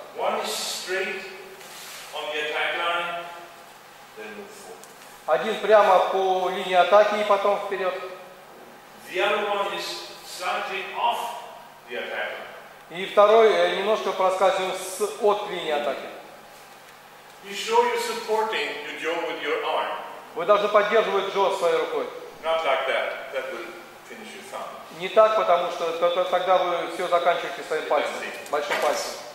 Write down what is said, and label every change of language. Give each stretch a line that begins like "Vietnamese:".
English: One is straight on the attack line, then move forward.
Russian: Один прямо по линии атаки и потом вперед.
English: The other one is slightly off the attack.
Russian: И второй немножко проскальзываем от линии атаки.
English: You show you're supporting your jaw with your arm.
Russian: Вы должны поддерживать джо своей рукой.
English: Not like that. That will finish your thumb.
Russian: Не так, потому что тогда вы все заканчиваете своим пальцем, большим пальцем.